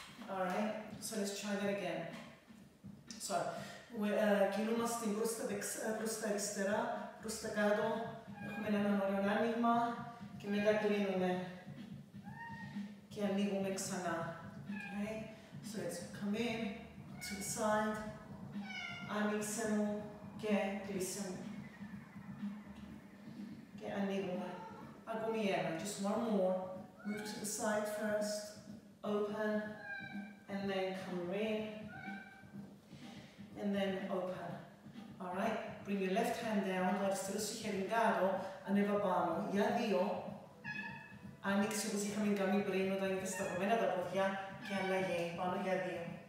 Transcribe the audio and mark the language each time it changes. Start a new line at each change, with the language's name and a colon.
English: Alright, so let's try that again.
Greek: So, κινούμαστε προς τα αριστερά, προς τα κάτω, έχουμε ένα ωραίο άνοιγμα και μετά κλείνουμε και ανοίγουμε ξανά.
English: Okay, so let's come in, to the side,
Greek: άνοιξε μου και κλείσε μου. Και ανοίγουμε. Ακόμη ένα,
English: just one more. Move to the side first, open, and then come in, and then open. Alright, bring your left hand down,
Greek: το αριστερό σου χέρι κάτω, ανέβα πάνω. Για δύο, άνοιξε όπως είχαμε κάνει πριν όταν είχε σταυρωμένα τα πόδια και αλλαγή πάνω για δύο.